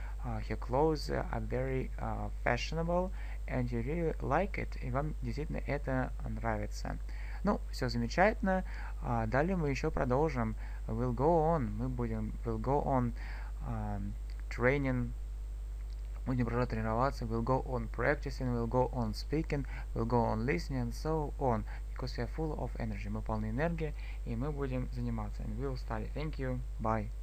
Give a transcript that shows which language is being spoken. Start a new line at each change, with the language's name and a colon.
English: Her clothes are very fashionable. And you really like it.
Russian: И вам действительно это нравится. Ну, все замечательно. Далее мы еще продолжим.
English: We'll go on, мы будем, we'll go on training, будем продолжать тренироваться, we'll go on practicing, we'll go on speaking, we'll go on listening, and so on, because we are full of energy, мы полны энергии, и мы будем заниматься, and we'll study, thank you, bye.